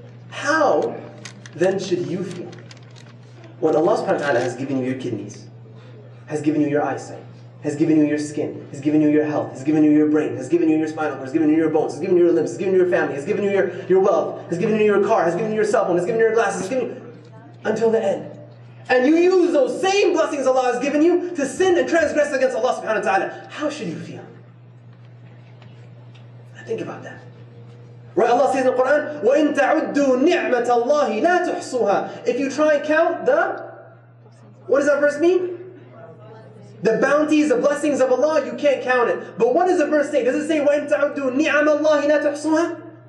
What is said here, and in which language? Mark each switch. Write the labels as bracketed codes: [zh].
[en] How then should you feel when Allah subhanahu wa ta'ala has given you your kidneys, has given you your eyesight, has given you your skin, has given you your health, has given you your brain, has given you your spinal cord, has given you your bones, has given you your limbs, has given you your family, has given you your wealth, has given you your car, has given you your cell phone, has given you your glasses, has given you... until the end. And you use those same blessings Allah has given you to sin and transgress against Allah subhanahu wa ta'ala. How should you feel? Now think about that. Right? Allah says in the Quran, [ar] وَإِن تَعُدُّوا نِعْمَةَ اللَّهِ لَا تُحْصُوهَا. [en] If you try and count the... What does that verse mean? The bounties, the blessings of Allah, you can't count it. But what does the verse say? Does it say, [ar] وَإِن تَعُدُّوا نِعَمَ اللَّهِ لَا تُحْصُوهَا?